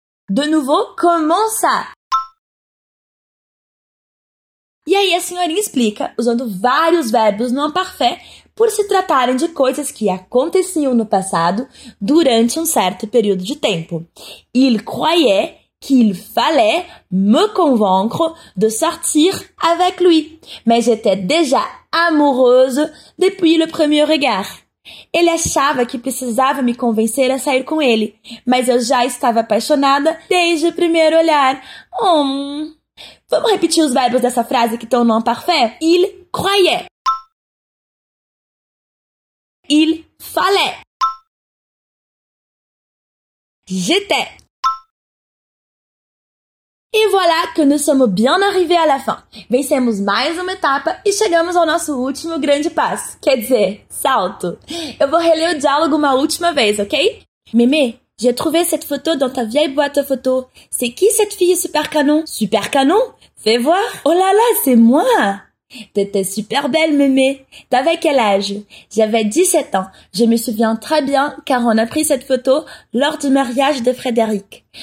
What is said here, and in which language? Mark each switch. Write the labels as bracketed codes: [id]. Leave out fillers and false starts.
[fr] De nouveau, comment ça? [pt] E aí a senhorinha explica, usando vários verbos no imparfait, por se tratarem de coisas que aconteciam no passado durante um certo período de tempo. [fr] Il croyait qu'il fallait me convaincre de sortir avec lui. Mais j'étais déjà amoureuse depuis le premier regard. [pt] Ele achava que precisava me convencer a sair com ele, mas eu já estava apaixonada desde o primeiro olhar. Vamos repetir os verbos dessa frase que estão no imparfait? [fr] Il croyait. Il fallait. J'étais. Et voilà que nous sommes bien arrivés à la fin. [pt] Vencemos mais uma etapa e chegamos ao nosso último grande passo. Quer dizer, salto. Eu vou reler o diálogo uma última vez, ok? [fr] Mémé, j'ai trouvé cette photo dans ta vieille boîte photo. C'est qui cette fille super canon? Super canon? Fais voir. Oh là là, c'est moi! T'étais super belle, mémé. T'avais quel âge? J'avais 17 ans. Je me souviens très bien car on a pris cette photo lors du mariage de Frédéric.